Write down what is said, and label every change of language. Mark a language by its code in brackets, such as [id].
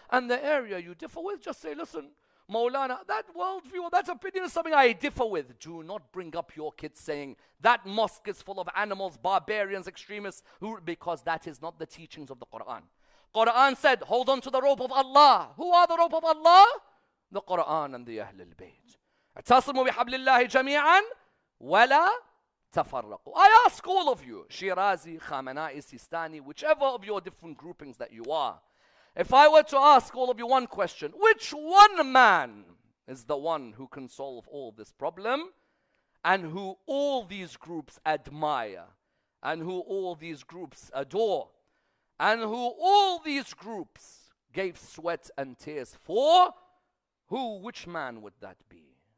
[en] And the area you differ with, just say, listen, Mawlana, that worldview, that opinion is something I differ with. Do not bring up your kids saying that mosque is full of animals, barbarians, extremists, who, because that is not the teachings of the Quran. Quran said, hold on to the rope of Allah. Who are the rope of Allah? The Quran and the Ahlul Bayt. [ar] اتصموا بحبل الله جميعا ولا تفرقوا. [en] I ask all of you, Shirazi, Khamenei, Sistani, whichever of your different groupings that you are, if I were to ask all of you one question, which one man is the one who can solve all this problem and who all these groups admire and who all these groups adore and who all these groups gave sweat and tears for, who, which man would that be?